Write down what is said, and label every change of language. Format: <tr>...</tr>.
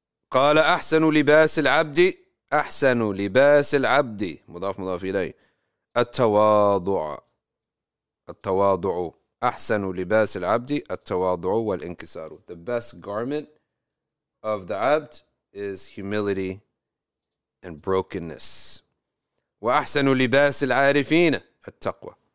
<ar>قال أحسن لباس العبد أحسن لباس العبد مضاف مضاف إليه التواضع التواضع أحسن لباس العبد التواضع والانكسار.</ar> <en>The best garment of the abd is humility and brokenness.</en> <ar>وأحسن لباس العارفين التقوى.</ar>